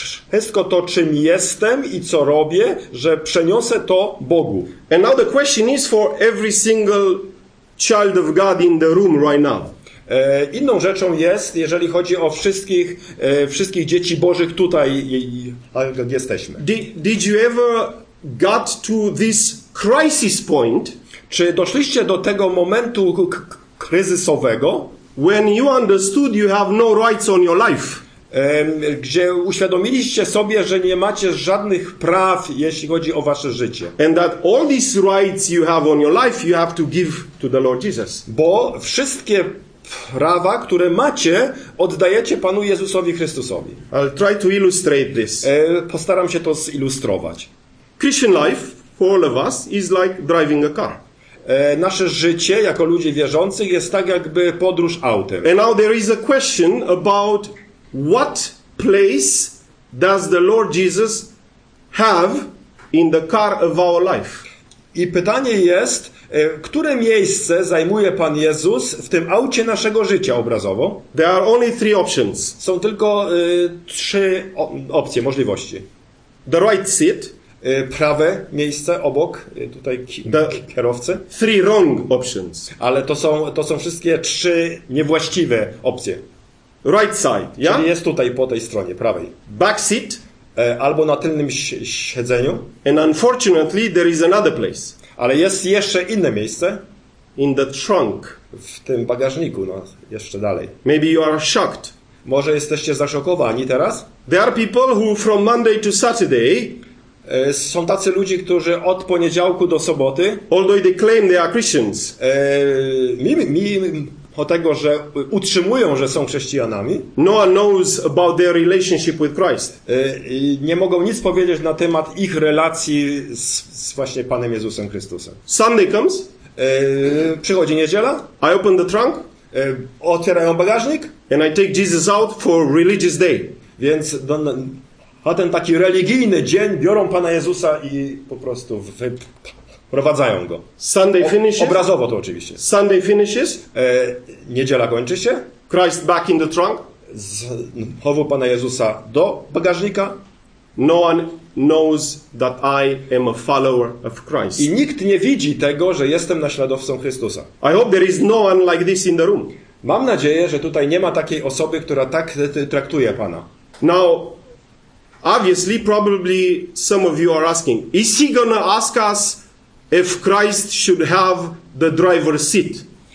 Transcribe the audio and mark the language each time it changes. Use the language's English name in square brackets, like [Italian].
[Polish] Wszystko to, czym jestem i co robię, że przeniosę to Bogu. [English] And now the question is for every single child of God in the room right now. [Polish] Inną rzeczą jest, jeżeli chodzi o wszystkich dzieci Bożych tutaj jesteśmy. [English] Did you ever got to this crisis point? [Polish] Czy doszliście do tego momentu kryzysowego? [English] When you understood you have no rights on your life. [Polish] Gdzie uświadomiliście sobie, że nie macie żadnych praw, jeśli chodzi o wasze życie. [English] And that all these rights you have on your life, you have to give to the Lord Jesus. [Polish] Bo wszystkie prawa, które macie, oddajecie Panu Jezusowi Chrystusowi. [English] I'll try to illustrate this. [Polish] Postaram się to zilustrować. [English] Christian life for all of us is like driving a car. [Polish] nasze życie jako ludzi wierzących jest tak jakby podróż autem. [English] And now there is a question about what place does the Lord Jesus have in the car of our life? [Polish] I pytanie jest, które miejsce zajmuje Pan Jezus w tym aucie naszego życia obrazowo? [English] There are only three options. [Polish] Są tylko trzy opcje, możliwości. [English] The right seat. [Polish] Prawe miejsce obok tutaj kierowcy. [English] Three wrong options. [Polish] Ale to są wszystkie trzy niewłaściwe opcje. [English] Right side. [Polish] Czyli jest tutaj po tej stronie, prawej. [English] Back seat. [Polish] Albo na tylnym siedzeniu. [English] And unfortunately there is another place. [Polish] Ale jest jeszcze inne miejsce. [English] In the trunk. [Polish] W tym bagażniku, no, jeszcze dalej. [English] Maybe you are shocked. [Polish] Może jesteście zaszokowani teraz. [English] There are people who from Monday to Saturday. [Polish] Są tacy ludzie, którzy od poniedziałku do soboty. [English] Although they claim they are Christians. [Polish] Mimo tego, że utrzymują, że są chrześcijanami. [English] No one knows about their relationship with Christ. [Polish] Nie mogą nic powiedzieć na temat ich relacji z właśnie Panem Jezusem Chrystusem. [English] Sunday comes. [Polish] Przychodzi niedziela. [English] I open the trunk. [Polish] Otwierają bagażnik. [English] And I take Jesus out for religious day. [Polish] Więc a ten taki religijny dzień, biorą Pana Jezusa i po prostu wprowadzają go. [English] Sunday finishes. [Polish] Obrazowo to oczywiście. [English] Sunday finishes. [Polish] Niedziela kończy się. [English] Christ back in the trunk. [Polish] Znowu Pana Jezusa do bagażnika. [English] No one knows that I am a follower of Christ. [Polish] I nikt nie widzi tego, że jestem naśladowcą Chrystusa. [English] I hope there is no one like this in the room. [Polish] Mam nadzieję, że tutaj nie ma takiej osoby, która tak traktuje Pana. [English] Now, obviously, probably some of you are asking, is he gonna ask us if Christ should have the driver's seat?